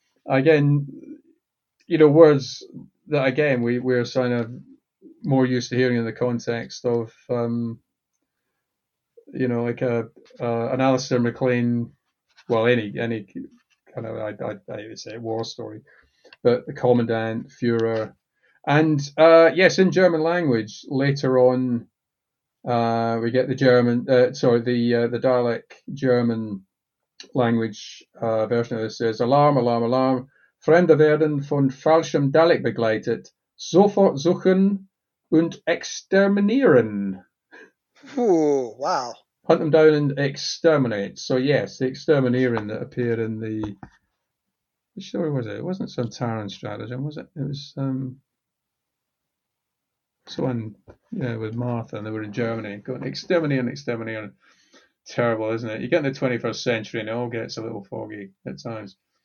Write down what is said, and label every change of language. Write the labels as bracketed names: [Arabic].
[English] Again, you know, words that, again, we're kind of more used to hearing in the context of, you know, like an Alistair MacLean, well, any kind of, I would say, war story, but the Commandant, Führer. And, yes, in German language, later on, we get the German, the Dalek German language version of this says, alarm, alarm, alarm. [German] Fremde werden von falschem Dalek begleitet, sofort suchen und exterminieren. [English] Ooh, wow. Hunt them down and exterminate. So, yes, the exterminieren that appeared in the... Which story was it? It wasn't some Taran stratagem, was it? It was someone, yeah, with Martha, and they were in Germany. Going exterminieren. Terrible, isn't it? You get in the 21st century and it all gets a little foggy at times.